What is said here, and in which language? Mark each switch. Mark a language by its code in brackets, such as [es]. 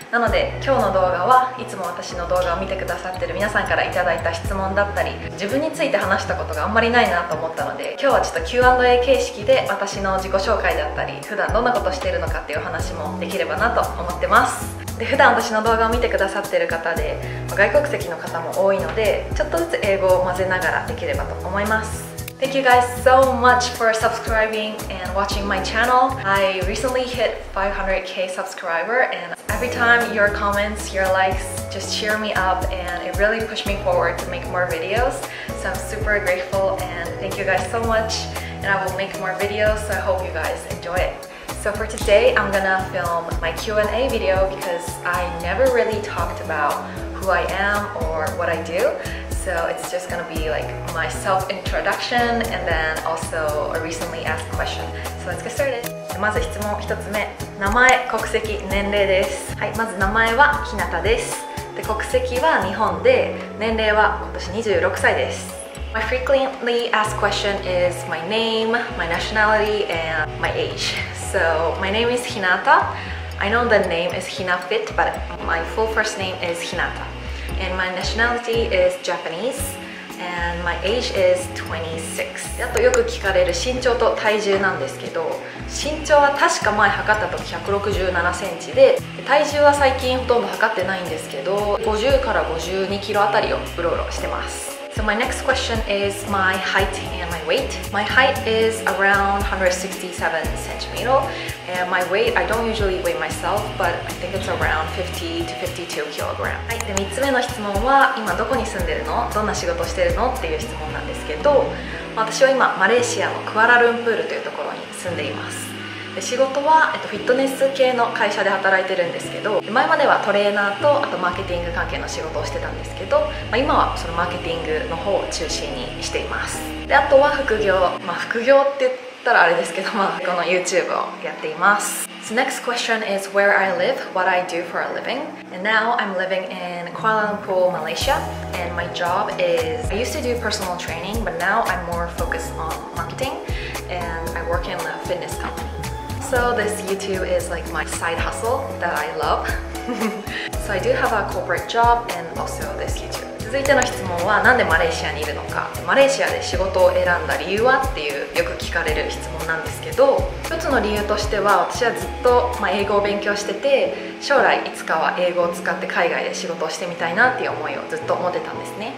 [ja] なので今日の動画は、いつも私の動画を見てくださってる皆さんからいただいた質問だったり、自分について話したことがあんまりないなと思ったので、今日はちょっと Q&A 形式で私の自己紹介だったり、普段どんなことしているのかっていう話もできればなと思ってます。で、普段私の動画を見てくださってる方で外国籍の方も多いので、ちょっとずつ英語を混ぜながらできればと思います。 [en] Thank you guys so much for subscribing and watching my channel. I recently hit 500k subscriber, and every time your comments, your likes just cheer me up and it really pushed me forward to make more videos. So I'm super grateful and thank you guys so much, and I will make more videos, so I hope you guys enjoy it. So for today, I'm gonna film my Q&A video because I never really talked about who I am or what I do. So it's just gonna be like my self-introduction and then also a recently asked question. So let's get started! [ja] まず質問一つ目、名前、国籍、年齢です。はい、まず名前はひなたです。で、国籍は日本で、年齢は今年26歳です。 [en] My frequently asked question is my name, my nationality, and my age. So my name is Hinata. I know the name is Hinafit, but my full first name is Hinata. And my nationality is Japanese and my age is 26. [ja] あとよく聞かれる身長と体重なんですけど、身長は確か前測った時167センチで、体重は最近ほとんど測ってないんですけど、50から52キロあたりをうろうろしてます。 [en] So my next question is my height and my weight. My height is around 167 centimeters, and my weight, I don't usually weigh myself, but I think it's around 50 to 52 kilograms. [ja] はい、で3つ目の質問は、今どこに住んでるの、どんな仕事してるのっていう質問なんですけど、私は今マレーシアのクアラルンプールというところに住んでいます。で、仕事は、フィットネス系の会社で働いてるんですけど、前まではトレーナーと、あとマーケティング関係の仕事をしてたんですけど、今はそのマーケティングの方を中心にしています。で、あとは副業、副業って言ったらあれですけど、この YouTube をやっています。 [en] So next question is where I live, what I do for a living. And now I'm living in Kuala Lumpur, Malaysia. And my job is, I used to do personal training, but now I'm more focused on marketing. And I work in a fitness company. So this YouTube is like my side hustle that I love. So I do have a corporate job and also this YouTube. [ja] 続いての質問は、なんでマレーシアにいるのか、マレーシアで仕事を選んだ理由はっていう、よく聞かれる質問なんですけど、一つの理由としては、私はずっと英語を勉強してて、将来いつかは英語を使って海外で仕事をしてみたいなっていう思いをずっと持ってたんですね。